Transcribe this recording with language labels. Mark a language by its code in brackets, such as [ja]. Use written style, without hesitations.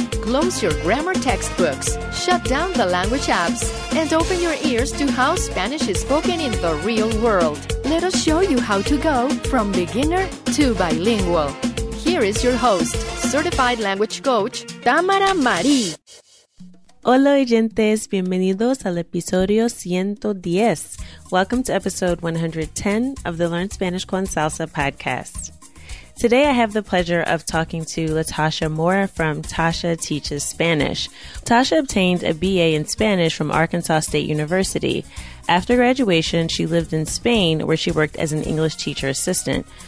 [en] Close your grammar textbooks, shut down the language apps, and open your ears to how Spanish is spoken in the real world. Let us show you how to go from beginner to bilingual. Here is your host, certified language coach, Tamara Mari. [es] Hola, oyentes. Bienvenidos al episodio 110. [en] Welcome to episode 110 of the Learn Spanish con Salsa podcast. Today, I have the pleasure of talking to Latasha Mora from Tasha Teaches Spanish. Tasha obtained a BA in Spanish from Arkansas State University. After graduation, she lived in Spain, where she worked as an English teacher assistant.